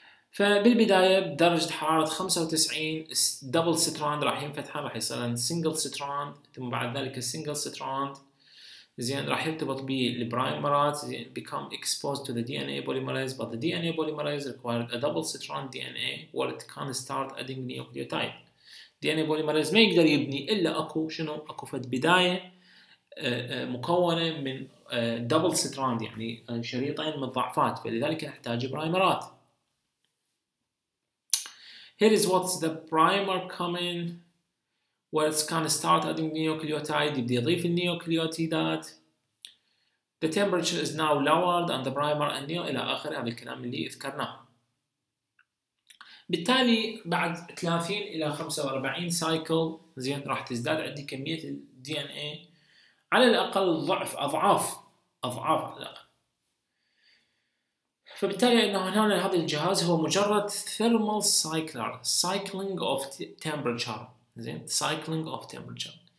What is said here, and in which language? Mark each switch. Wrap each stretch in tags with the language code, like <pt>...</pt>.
<ar>فبالبدايه بدرجه حراره 95 دبل ستراند راح ينفتح، راح يصير سنجل ستراند، ثم بعد ذلك السنجل ستراند زين راح يرتبط بالبرايمرات زين</ar> <en>become exposed to the DNA polymerase but the DNA polymerase required a double strand DNA where it can start adding nucleotide.</en> <ar>DNA polymerase ما يقدر يبني إلا أكو شنو؟ أكو فد بداية مكونة من double strand يعني شريطين من الضعفات، فلذلك نحتاج برايمرات.</ar> <en>Here is what's the primer coming where it's gonna start adding nucleotide.</en> <ar>يبدي يضيف النيوكليوتيدات.</ar> <en>The temperature is now lowered and the primer and neo</en> <ar>إلى آخر هذا الكلام اللي ذكرناه. بالتالي بعد 30 إلى 45 سايكل زين راح تزداد عندي كمية الـ DNA على الأقل ضعف أضعاف أضعاف على الأقل. فبالتالي أنه هنا هذا الجهاز هو مجرد</ar> <en>thermal cycler cycling of temperature</en> <ar>زين</ar> <en>cycling of temperature.</en>